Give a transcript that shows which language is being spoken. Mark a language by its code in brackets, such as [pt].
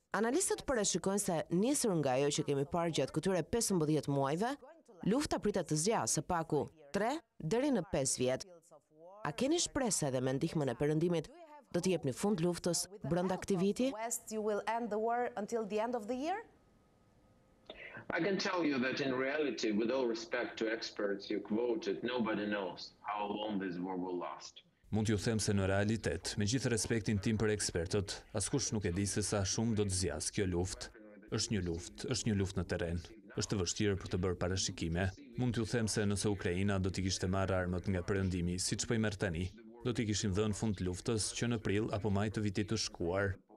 [sq] analistët parashikojnë se nisur nga ajo që kemi parë gjatë këtyre 15 muajve, lufta pritet të zgjasë së paku 3 deri në 5 vjet. A keni shpresë edhe me ndihmën e Perëndimit do të jepni fund luftës brenda këtij viti? [en] I can tell you that in reality, with all respect to experts you quoted, nobody knows how long this war will last. [sq] Mund t'ju them se në realitet, me gjithë respektin tim për ekspertët, askush nuk e di se sa shumë do të zgjasë kjo luftë. është një luftë në teren. Është vështirë për të bërë parashikime. Mund t'ju them se nëse Ukraina do t'i kishte marrë armët nga Perëndimi, siç po i merr tani, do t'i kishin dhënë fund luftës që në prill apo maj të vitit të shkuar.